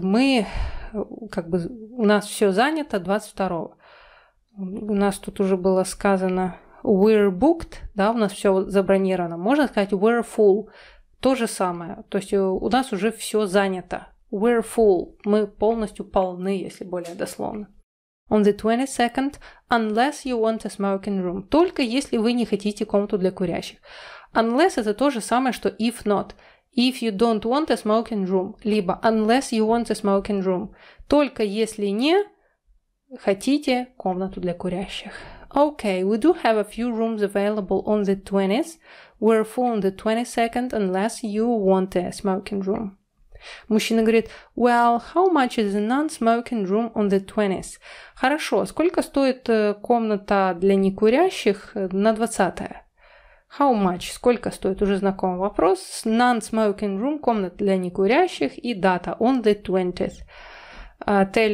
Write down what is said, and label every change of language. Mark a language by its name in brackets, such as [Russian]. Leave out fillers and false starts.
[Russian] Мы, как бы, у нас все занято 22-го. У нас тут уже было сказано we're booked, да, у нас все забронировано. Можно сказать we're full, то же самое. То есть у нас уже все занято. [English] We're full. [Russian] Мы полностью полны, если более дословно. [English] On the 22nd, unless you want a smoking room. [Russian] Только если вы не хотите комнату для курящих. [English] Unless — это то же самое, что if not. If you don't want a smoking room. Либо unless you want a smoking room. [Russian] Только если не хотите комнату для курящих. [English] Okay, we do have a few rooms available on the 20th. We're full on the 22nd, unless you want a smoking room. Мужчина говорит: «Well, how much is a non-smoking room on the 20th?» [Russian] Хорошо, сколько стоит комната для некурящих на 20-е? How much? Сколько стоит? Уже знакомый вопрос. Non-smoking room – комната для некурящих, и дата – on the 20th.